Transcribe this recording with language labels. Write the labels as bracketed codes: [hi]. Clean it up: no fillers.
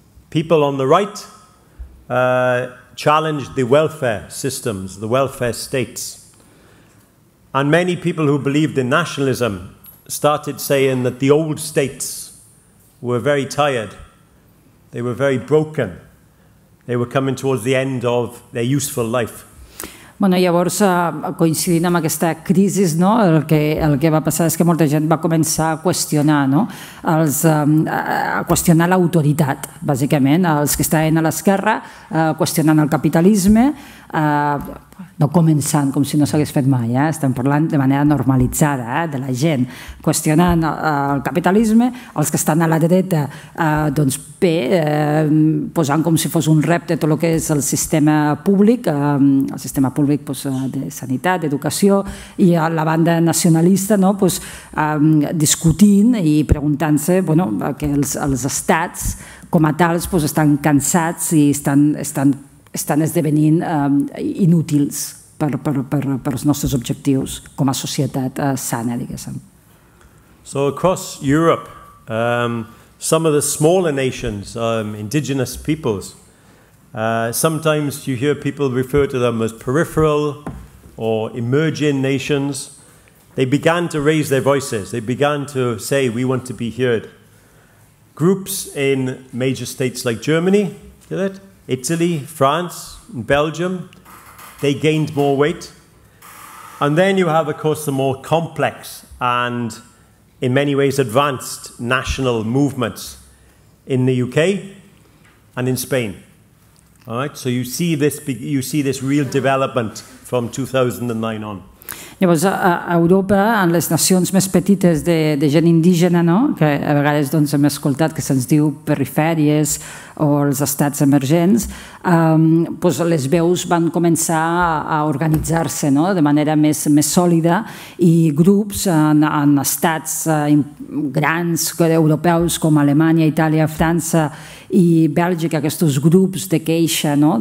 [en] People on the right challenged the welfare systems, the welfare states. And many people who believed in nationalism started saying that the old states were very tired, they were very broken, they were coming towards the end of their useful life. [ca] Bueno, llavors, coincidint amb aquesta crisi, no, el que va passar és que molta gent va començar a qüestionar, no, a qüestionar l'autoritat, bàsicament, els que estaven a l'esquerra, qüestionant el capitalisme, no començant com si no s'hagués fet mai, estem parlant de manera normalitzada, de la gent, qüestionant el capitalisme, els que estan a la dreta, doncs bé, posant com si fos un repte tot el que és el sistema públic, doncs, de sanitat, d'educació, i a la banda nacionalista, no, doncs, discutint i preguntant-se, bueno, que els estats com a tals, doncs, estan cansats i estan esdevenint inútils per als nostres objectius com a societat sana, diguéssim. [en] So across Europe, some of the smaller nations, indigenous peoples, sometimes you hear people refer to them as peripheral or emerging nations. They began to raise their voices. They began to say, we want to be heard. Groups in major states like Germany, did it? Italy, France, and Belgium, they gained more weight. And then you have, of course, the more complex and in many ways advanced national movements in the UK and in Spain. All right, so you see this real development from 2009 on. [ca] Llavors, a Europa, en les nacions més petites de gent indígena, no? Que a vegades, doncs, hem escoltat que se'ns diu perifèries o els estats emergents, doncs les veus van començar a organitzar-se, no? De manera més sòlida, i grups en estats grans europeus com Alemanya, Itàlia, França i Bèlgica, aquests grups de queixa, no?